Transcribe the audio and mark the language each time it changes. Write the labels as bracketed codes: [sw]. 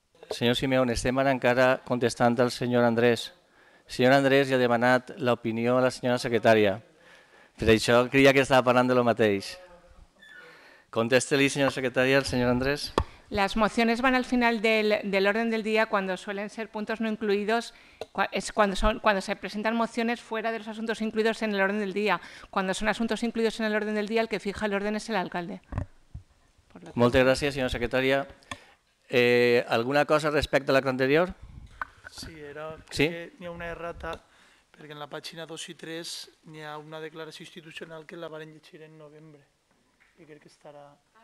[ca] Senyor Simeone, estem ara encara contestant al senyor Andrés. El senyor Andrés ja ha demanat l'opinió a la senyora secretària. Per això creia que estava parlant de lo mateix. Contéstele, senyora secretària, el senyor Andrés. [es] Las mociones van al final del orden del día cuando suelen ser puntos no incluidos, es cuando se presentan mociones fuera de los asuntos incluidos en el orden del día. Cuando son asuntos incluidos en el orden del día, el que fija el orden es el alcalde. [ca] Moltes gràcies, senyora secretària. Alguna cosa respecte a l'acte anterior? Sí, era que n'hi ha una errata... perquè en la pàgina 2 i 3 n'hi ha una declaració institucional que la varen llegir en novembre i crec que estarà...